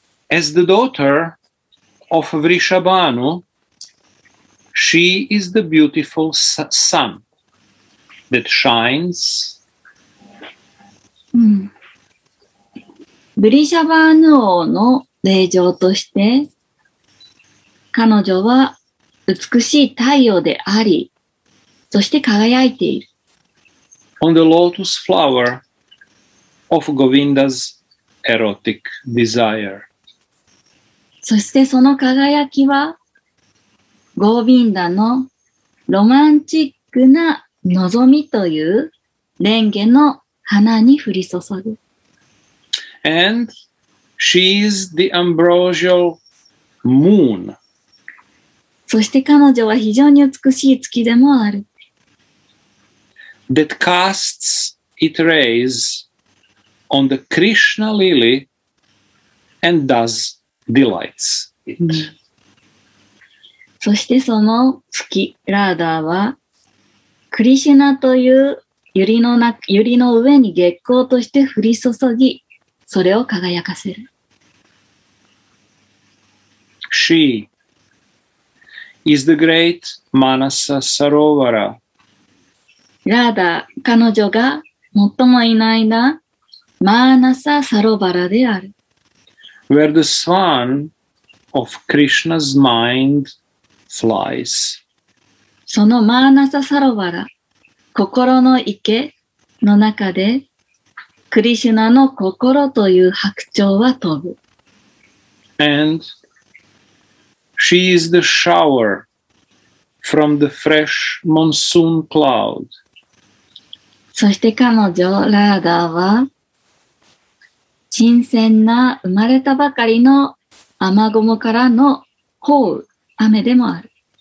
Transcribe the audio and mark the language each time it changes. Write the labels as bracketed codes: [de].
[en] As the daughter of Vrishabhanu, she is the beautiful sun that shines. [ja] ブリシャバーヌ王の霊嬢として、彼女は美しい太陽であり、そして輝いている。 [en] On the lotus flower of Govinda's erotic desire. [ja] そしてその輝きは、ゴヴィンダのロマンチックな望みという蓮華の花に降り注ぐ。 [en] And she is the ambrosial moon. [ja] そして彼女は非常に美しい月でもある。 [en] That casts its rays on the Krishna lily and thus delights it.、 [ja] うん、そしてその月、ラーダーは、クリシュナという百合の上に月光として降り注ぎ、それを輝かせる。 [en] She is the great Manasa Sarovara. [ja] ラーダ、彼女が最も偉大なマーナサ・サロバラである。 [en] where the swan of Krishna's mind flies. [ja] そのマーナササロバラ、心の池の中で、クリシュナの心という白鳥は飛ぶ。 [en] And she is the shower from the fresh monsoon cloud. [ja] そして彼女、ラーダは、新鮮な生まれたばかりの雨雲からの降雨、雨でもある。